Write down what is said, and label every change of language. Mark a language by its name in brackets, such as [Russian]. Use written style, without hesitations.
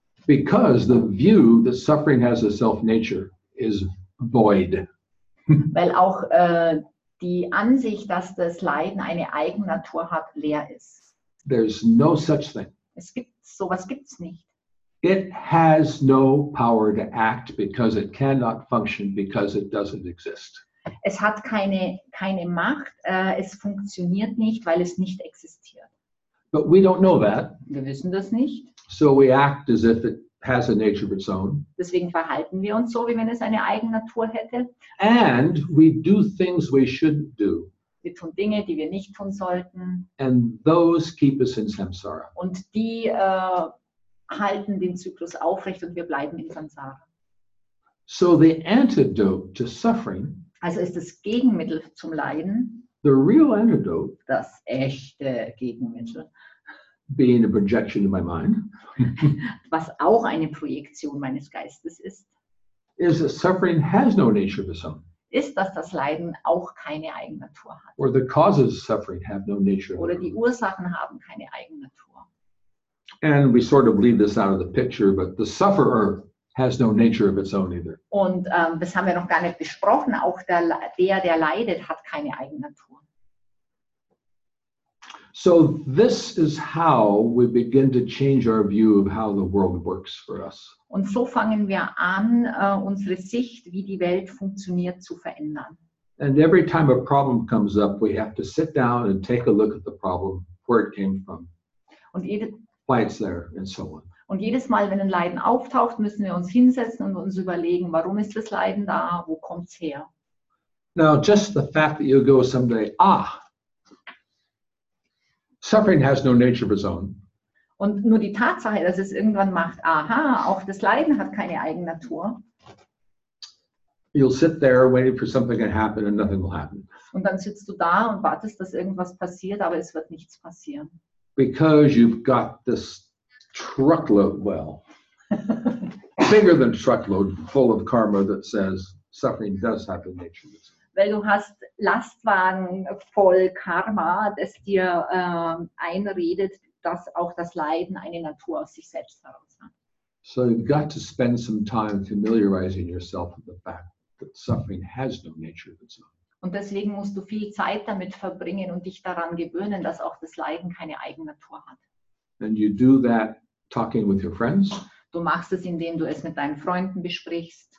[English] Because the view that suffering has a self-nature is void. [German] Weil auch die Ansicht, dass das Leiden eine Eigennatur hat, leer ist. [English] There's no such thing. [German] Es gibt sowas gibt's nicht. [English] It has no power to act because it cannot function because it doesn't exist. [German] es hat keine Macht, es funktioniert nicht, weil es nicht existiert. [English] But we don't know that. [German] Wir wissen das nicht. [English] So we act as if it has a nature of its own. [German] Deswegen verhalten wir uns so, wie wenn es eine Eigennatur hätte. [English] And we do things we shouldn't do. [German] Wir tun Dinge, die wir nicht tun sollten. [English] And those keep us in samsara. [German] Und die halten den Zyklus aufrecht und wir bleiben in Samsara. [English] So the antidote to suffering, [German] also ist das Gegenmittel zum Leiden, [English] the real antidote, [German] das echte Gegenmittel, [English] being a projection in my mind, [German] was auch eine Projektion meines Geistes ist, [English] is that suffering has no nature of its own. [German] Ist, dass das Leiden auch keine Eigennatur hat. [English] Or the causes of suffering have no nature. [German] Oder die Ursachen haben keine Eigennatur. [English] And we sort of leave this out of the picture, but the sufferer has no nature of its own either. [German] Und das haben wir noch gar nicht besprochen. Auch der leidet, hat keine Eigennatur. [English] So this is how we begin to change our view of how the world works for us. [German] Und so fangen wir an, unsere Sicht, wie die Welt funktioniert, zu verändern. [English] And every time a problem comes up, we have to sit down and take a look at the problem, where it came from, why it's there, and so on. [German] Und jedes Mal, wenn ein Leiden auftaucht, müssen wir uns hinsetzen und uns überlegen, warum ist das Leiden da, wo kommt's her? [English] Now, just the fact that you go someday, ah, suffering has no nature of its own. [German] Und nur die Tatsache, dass es irgendwann macht, aha, auch das Leiden hat keine Eigennatur. [English] You'll sit there waiting for something to happen and nothing will happen. [German] Und dann sitzt du da und wartest, dass irgendwas passiert, aber es wird nichts passieren. [English] Because you've got this truckload, well, bigger than truckload, full of karma that says suffering does have a nature. [German] Weil du hast Lastwagen voll Karma, das dir einredet, dass auch das Leiden eine Natur aus sich selbst heraus hat. [English] So you've got to spend some time familiarizing yourself with the fact that suffering has no nature of its own. [German] Und deswegen musst du viel Zeit damit verbringen und dich daran gewöhnen, dass auch das Leiden keine Eigennatur hat. [English] And you do that talking with your friends. [German] Du machst es, indem du es mit deinen Freunden besprichst.